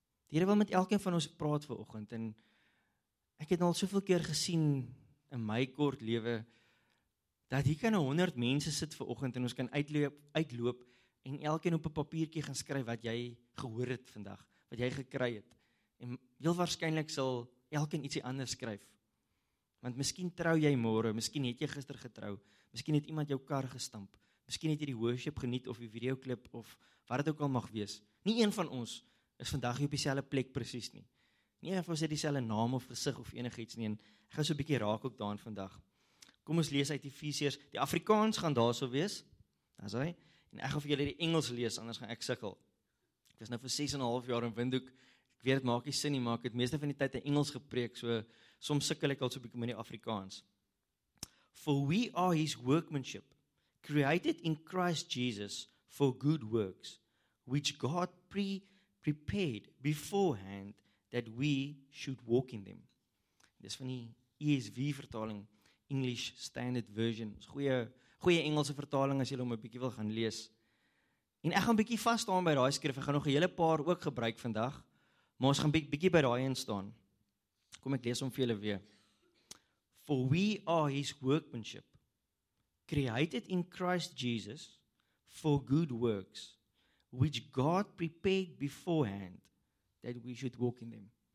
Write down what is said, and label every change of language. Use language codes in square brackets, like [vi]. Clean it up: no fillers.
[af] Die Here wil met elkeen van ons praat vanoggend en ek het al soveel keer gesien in my kort lewe dat hier kan 100 mense sit vanoggend en ons kan uitloop en elkeen op 'n papiertjie gaan skryf wat jy gehoor het vandag, wat jy gekry het. En heel waarskynlik sal elkeen ietsie anders skryf. Want miskien trou jy môre, miskien het jy gister getrou, miskien het iemand jou kar gestamp, miskien het jy die worship geniet of die videoklip of wat dit ook al mag wees. Nie een van ons is vandag hier op dieselfde plek presies nie. Nie of ons het dieselfde naam of gesig of enigiets nie. En ek gaan so 'n bietjie raak ook daarin vandag. Kom ons lees uit Efesiërs. Die Afrikaans gaan daarso wees. Dis hy. En ek gaan vir julle die Engels lees anders gaan ek sukkel. Ek was nou vir 6.5 jaar in Windhoek. Ek weet dit maak nie sin nie, maar ek het meeste van die tyd in Engels gepreek, so soms sukkel ek al so 'n bietjie met die Afrikaans. [en] For we are his workmanship, created in Christ Jesus for good works, which God prepared beforehand that we should walk in them. [af] Dis van die ESV vertaling, English Standard Version. Goeie Engelse vertaling as jy hom 'n bietjie wil gaan lees. En ek gaan bietjie vas staan by daai skrif. Ek gaan nog 'n hele paar ook gebruik vandag, maar ons gaan bietjie by daai instaan. Kom ek lees hom vir julle weer. [en] For we are his workmanship, created in Christ Jesus for good works, which God prepared beforehand that we should walk in them.